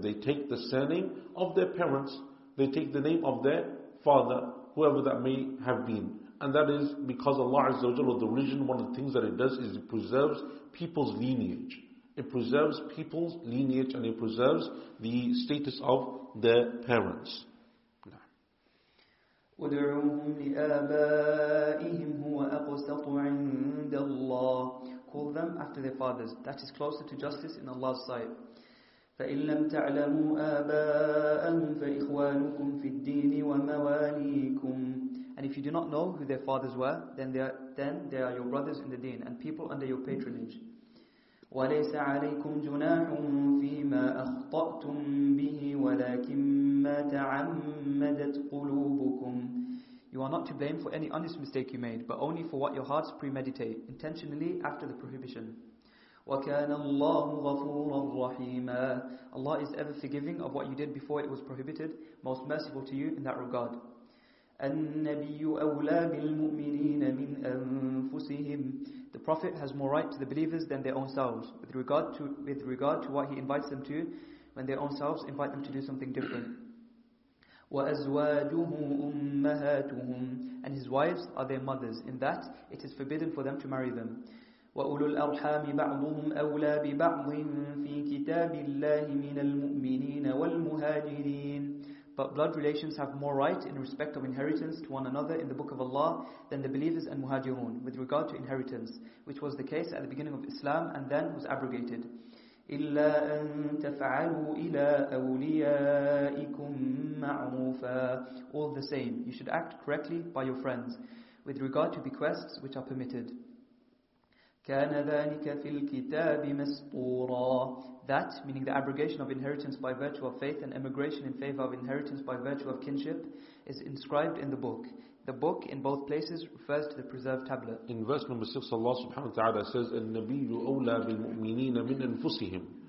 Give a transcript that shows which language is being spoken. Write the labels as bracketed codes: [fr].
[en] They take the surname of their parents, they take the name of their father, whoever that may have been. And that is because Allah Azza wa Jalla, the religion, one of the things that it does is it preserves people's lineage. It preserves people's lineage and it preserves the status of their parents. [ar] ودعوهم لآبائهم هو أقسط عند الله. [en] Call them after their fathers. That is closer to justice in Allah's sight. [ar] فإن لم تعلموا آباءهم فإخوانكم في الدين ومواليكم. [en] And if you do not know who their fathers were, then they are your brothers in the deen and people under your patronage. [ar] وليس عليكم جناح فيما أخطأتم به ولكن ما تعمدت قلوبكم. [en] You are not to blame for any honest mistake you made, but only for what your hearts premeditate intentionally after the prohibition. [ar] وكان الله غفورا رحيما. [en] Allah is ever forgiving of what you did before it was prohibited, most merciful to you in that regard. [ar] النبي أولى بالمؤمنين من أنفسهم. [en] The Prophet has more right to the believers than their own selves with regard to what he invites them to when their own selves invite them to do something different. [ar] وأزواجه أمهاتهم. [en] And his wives are their mothers, in that it is forbidden for them to marry them. [ar] وأولو الأرحام بعضهم أولى ببعض في كتاب الله من المؤمنين والمهاجرين. [en] But blood relations have more right in respect of inheritance to one another in the Book of Allah than the believers and muhajirun with regard to inheritance, which was the case at the beginning of Islam and then was abrogated. [ar] إِلَّا أَن تَفْعَلُوا إِلَىٰ أَوْلِيَائِكُمْ مَعْرُوفًا. [en] All the same, you should act correctly by your friends with regard to bequests which are permitted. [ar] كان ذلك في الكتاب مسطورا. [en] That, meaning the abrogation of inheritance by virtue of faith and emigration in favor of inheritance by virtue of kinship, is inscribed in the book. The book in both places refers to the preserved tablet. In verse number 6, Allah subhanahu wa ta'ala says, [ar] النَّبِيُّ أَوْلَى بِالْمُؤْمِنِينَ مِنْ أَنفُسِهِمْ.